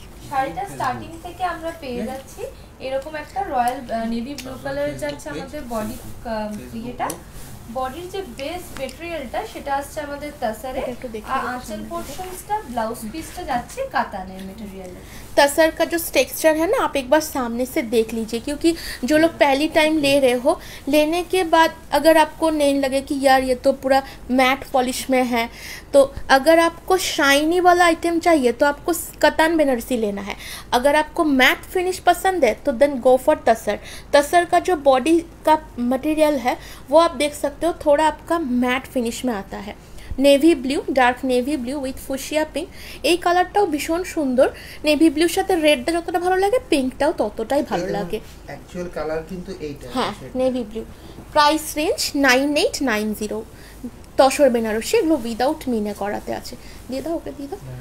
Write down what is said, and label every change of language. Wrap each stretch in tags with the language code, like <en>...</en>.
<bn>শাড়িটা স্টার্টিং থেকে আমরা পেয়ে যাচ্ছি এরকম একটা রয়্যাল নেভি ব্লু কালারের যাচ্ছে আমাদের বডি ইয়েটা। বডির যে বেস মেটেরিয়ালটা সেটা আসছে আমাদের তাসারে, আর আঁচল পোর্শনসটা ব্লাউজ পিসটা যাচ্ছে কাতানের মেটেরিয়ালে।</bn> <hi>तसर का जो टेक्सचर है ना, आप एक बार सामने से देख लीजिए, क्योंकि जो लोग पहली टाइम ले रहे हो, लेने के बाद अगर आपको नहीं लगे कि यार ये तो पूरा मैट पॉलिश में है, तो अगर आपको शाइनी वाला आइटम चाहिए तो आपको कतान बनारसी लेना है। अगर आपको मैट फिनिश पसंद है तो</hi> <en>then go for</en> <hi>तसर। तसर का जो बॉडी का मटेरियल है वो आप देख सकते हो, थोड़ा आपका मैट फिनिश में आता है।</hi> <bn>Navy blue, dark navy blue with fuchsia pink, এই কালারটাও ভীষণ সুন্দর। নেভি ব্লুর সাথে রেডটা যতটা ভালো লাগে, পিঙ্কটাও ততটাই ভালো লাগে। অ্যাকচুয়াল কালার কিন্তু এইটা। হ্যাঁ, navy blue. Price range 9890। Tussar Banarasi এগুলো উইদাউট মিনে করাতে আছে। দিয়ে দাও, ওকে দিয়ে দাও।</bn>